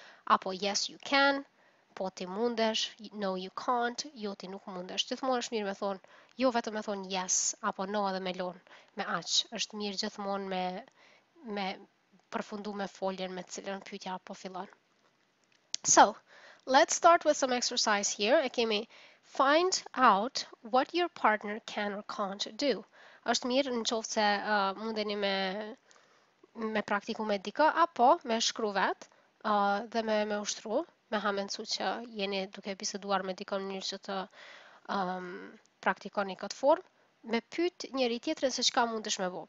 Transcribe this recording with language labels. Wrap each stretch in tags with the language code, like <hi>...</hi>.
<sq>Apo</sq> <en>yes, you can,</en> <sq>po ti mundesh,</sq> <en>no, you can't,</en> <sq>jo, ti nuk mundesh. Gjithmonë është mirë me thonë, jo vetëm me thonë yes, apo no, edhe me lonë, me aq. Është mirë gjithmonë me përfundu me foljen me cilën pyetja po fillon.</sq> <en>So, let's start with some exercise here,</en> <sq>i kemi</sq> <en>find out what your partner can or can't do.</en> <sq>Është mirë në qoftë se mundeni me praktiku me dika, apo me shkru vetë dhe me ushtru, me hamencu që jeni duke biseduar me dika në njërë që të praktikoni këtë formë, me pytë njëri tjetërën se qka mundesh me bo.</sq>